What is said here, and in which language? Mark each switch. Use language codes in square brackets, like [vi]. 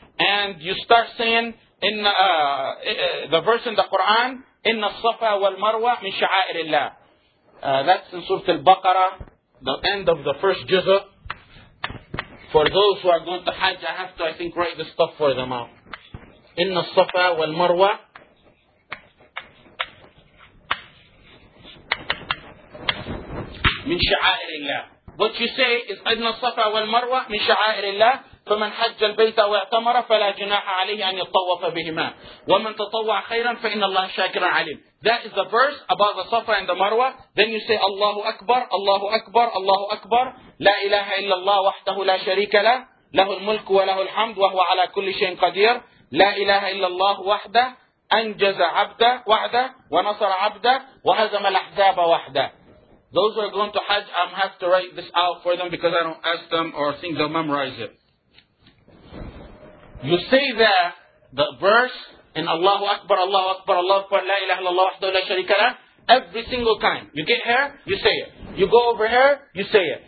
[en] And you start saying in the verse in the Quran, Inna Safa wal Marwa min sha'air Allah. That's in Surah Al-Baqarah, the end of the first juz. For those who are going to Hajj, I have to, I think, write this stuff for them out. [ar] إن الصفا والمروة من شعائر الله. [en] What you say is [ar] إن الصفا والمروة من شعائر الله. فمن حج البيت واعتمر فلا جناح عليه أن يطوف بهما. ومن تطوع خيرا فإن الله شاكر عليم. [en] That is the verse about the Safa and the Marwa. Then you say [ar] الله أكبر الله أكبر الله أكبر لا إله إلا الله وحده لا شريك له له الملك وله الحمد وهو على كل شيء قدير. لا إله إلا الله وحده أنجز عبده وحده ونصر عبده وهزم الأحزاب وحده. [en] Those who are going to Hajj, I have to write this out for them because I don't ask them or think they'll memorize it. You say that the verse in [ar] Allahu Akbar, Allahu Akbar, Allahu Akbar, لا إله إلا الله وحده لا شريك له. [en] Every single time you get here, you say it. You go over here, you say it.